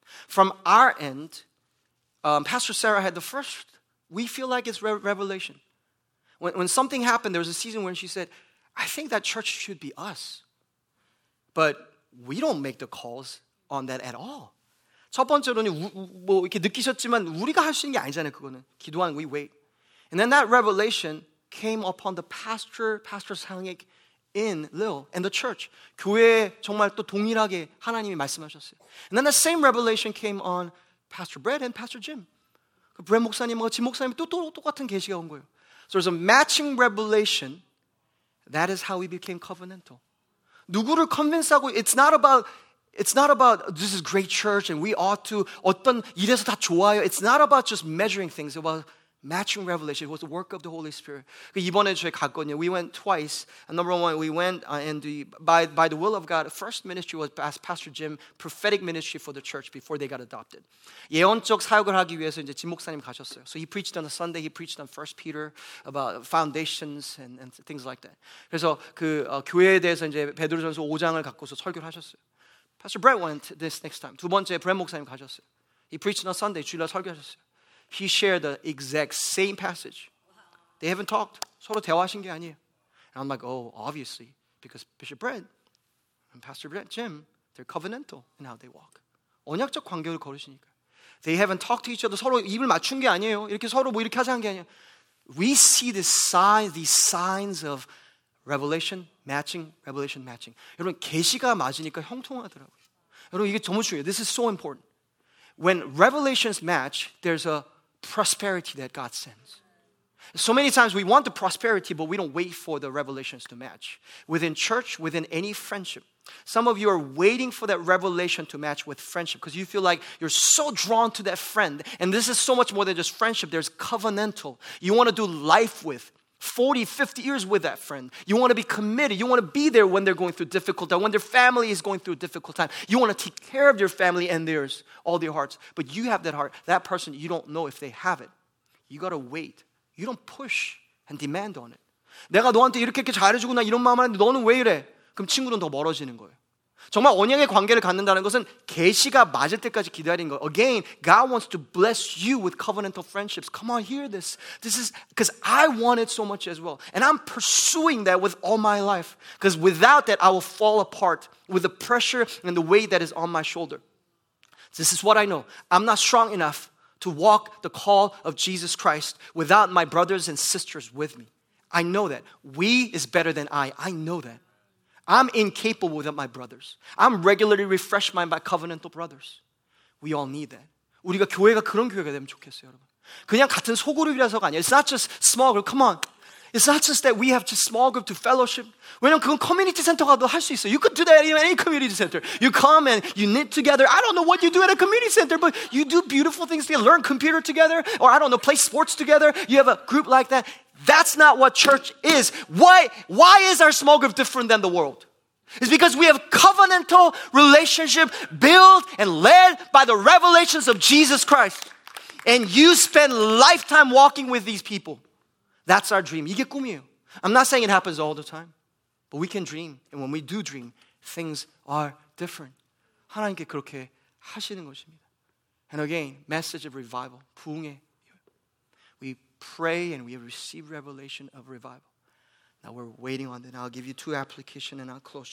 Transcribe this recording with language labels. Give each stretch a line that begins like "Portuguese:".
English: From our end, Pastor Sarah had the first, we feel like it's revelation. When something happened, there was a season when she said, I think that church should be us. But we don't make the calls on that at all.
Korean: 첫 번째로는 뭐 이렇게 느끼셨지만 우리가 할 수 있는 게 아니잖아요, 그거는. 기도하는,
English: we wait. And then that revelation came upon the pastor 상익 in Lil and the church.
Korean: 교회에 정말 또 동일하게 하나님이 말씀하셨어요.
English: And then the same revelation came on Pastor Brett and Pastor Jim.
Korean: 그 브렛 목사님과 짐 목사님 또 똑같은 계시가 온 거예요.
English: So there's a matching revelation. That is how we became covenantal.
Korean: 누구를 convince하고,
English: it's not about this is great church and we ought to
Korean: 어떤 일에서 다 좋아요.
English: It's not about just measuring things. It was matching revelation. It was the work of the Holy Spirit.
Korean: 이번에 저희 갔거든요.
English: We went twice. Number one, we went by the will of God. First ministry was Pastor Jim, prophetic ministry for the church before they got adopted.
Korean: 예언적 사역을 하기 위해서 이제 진 목사님 가셨어요.
English: So he preached on a Sunday. He preached on 1 Peter about foundations and things like that.
Korean: 그래서 그 교회에 대해서 이제 베드로전서 5장을 갖고서 설교를 하셨어요.
English: Pastor Brett went this next time.
Korean: 두 번째 브렛 목사님 가셨어요.
English: He preached on a Sunday.
Korean: 주일날 설교하셨어요.
English: He shared the exact same passage. They haven't talked.
Korean: 서로 대화하신 게 아니에요.
English: And I'm like, oh, obviously, because Bishop Brett and Pastor Brett, Jim, they're covenantal in how they walk.
Korean: 언약적 관계를 걸으시니까.
English: They haven't talked to each other.
Korean: 서로 입을 맞춘 게 아니에요. 이렇게 서로 뭐 이렇게 하자 한 게 아니에요.
English: We see the signs, these signs of revelation matching.
Korean: 여러분, 계시가 맞으니까 형통하더라고요. 여러분, 이게 너무 중요해요.
English: This is so important. When revelations match, there's a prosperity that God sends. So many times we want the prosperity, but we don't wait for the revelations to match. Within church, within any friendship, some of you are waiting for that revelation to match with friendship because you feel like you're so drawn to that friend. And this is so much more than just friendship. There's covenantal. You want to do life with 40, 50 years with that friend. You want to be committed. You want to be there when they're going through difficult time, when their family is going through a difficult time. You want to take care of your family and theirs, all their hearts. But you have that heart. That person, you don't know if they have it. You got to wait. You don't push and demand on it.
Korean: 내가 너한테 이렇게 잘해주고 나 이런 마음 하는데 너는 왜 이래? 그럼 친구는 더 멀어지는 거예요. 정말 언약의 관계를 갖는다는 것은 계시가 맞을 때까지 기다리는 거예요.
English: Again, God wants to bless you with covenantal friendships. Come on, hear this. This is because I want it so much as well. And I'm pursuing that with all my life. Because without that, I will fall apart with the pressure and the weight that is on my shoulder. This is what I know. I'm not strong enough to walk the call of Jesus Christ without my brothers and sisters with me. I know that. We is better than I. I know that. I'm incapable without my brothers. I'm regularly refreshed by my covenantal brothers. We all need that.
Korean: 우리가 교회가 그런 교회가 되면 좋겠어요, 여러분. 그냥 같은 소그룹이라서가 아니에요.
English: It's not just small group. Come on. It's not just that we have just small group to fellowship.
Korean: 왜냐면 그건 커뮤니티 센터 가도 할 수 있어요.
English: You could do that in any community center. You come and you knit together. I don't know what you do at a community center, but you do beautiful things. You learn computer together, or I don't know, play sports together. You have a group like that. That's not what church is. Why is our small group different than the world? It's because we have covenantal relationship built and led by the revelations of Jesus Christ. And you spend lifetime walking with these people. That's our dream.
Korean: 이게 꿈이에요.
English: I'm not saying it happens all the time. But we can dream. And when we do dream, things are different.
Korean: 하나님께 그렇게 하시는 것입니다.
English: And again, message of revival.
Korean: 부흥의.
English: Pray and we have received revelation of revival. Now we're waiting on that. I'll give you two applications and I'll close.